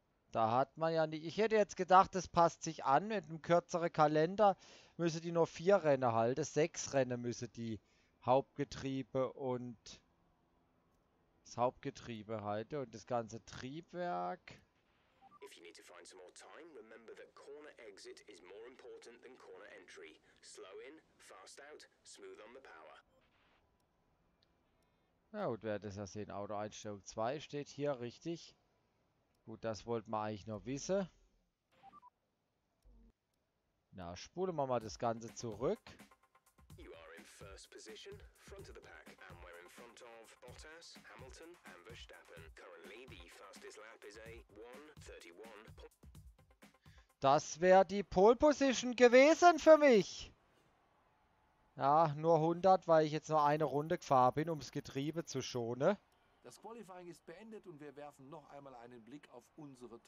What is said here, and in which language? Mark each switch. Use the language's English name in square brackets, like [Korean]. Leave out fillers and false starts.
[German] Da hat man ja nicht. Ich hätte jetzt gedacht, das passt sich an. Mit einem kürzeren Kalender müssen die nur vier Rennen halten. Sechs Rennen müssen die Hauptgetriebe und das Hauptgetriebe halten. Und das ganze Triebwerk. [English] If you need to find some more time, remember that corner exit is more important than corner entry. Slow in, fast out, smooth on the power. [German] Na gut, werdet es ja sehen. Autoeinstellung 2 steht hier richtig. Gut, das wollte man eigentlich nur wissen. Na, spulen wir mal das Ganze zurück. [English] You are in first position, front of the pack, and we're in front of Bottas, Hamilton and Verstappen. Currently the fastest lap is a 1:31. [German] Das wäre die Pole Position gewesen für mich. Ja, nur 100, weil ich jetzt nur eine Runde gefahren bin, um das Getriebe zu schonen. Das Qualifying ist beendet und wir werfen noch einmal einen Blick auf unsere